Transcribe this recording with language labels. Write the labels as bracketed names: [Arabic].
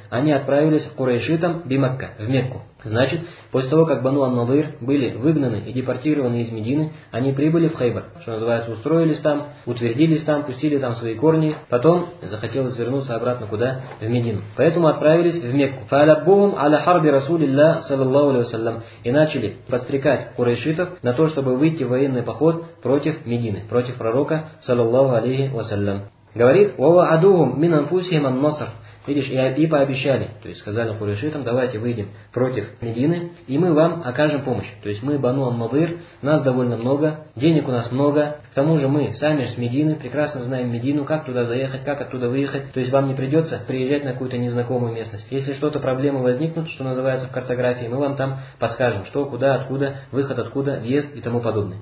[Russian] Они отправились к Курайшитам бимакка, в Мекку. Значит, после того, как Бану ан-Надир были выгнаны и депортированы из Медины, они прибыли в Хайбар, что называется, устроились там, утвердились там, пустили там свои корни, потом захотелось вернуться обратно куда? В Медину. Поэтому отправились в Мекку. [Arabic] فَأَلَبُّهُمْ عَلَى حَرْبِ رَسُولِ اللَّهِ صَلَى اللَّهُ عَلَيْهِ وَسَلَّمُ [Russian] и начали подстрекать курайшитов на то, чтобы выйти в военный поход против Медины, против пророка, саллаллаху алейхи вассалям. Говорит, [Arabic] وَوَعَدُوهُمْ مِنْ أَنْفُسِهِمْ النَّصْرَ. [Russian] Видишь, и пообещали, то есть сказали курайшитам, давайте выйдем против Медины, и мы вам окажем помощь. То есть мы Бану ан-Надир, нас довольно много, денег у нас много, к тому же мы сами же с Медины, прекрасно знаем Медину, как туда заехать, как оттуда выехать. То есть вам не придется приезжать на какую-то незнакомую местность. Если что-то, проблемы возникнут, что называется, в картографии, мы вам там подскажем, что, куда, откуда, выход откуда, въезд и тому подобное.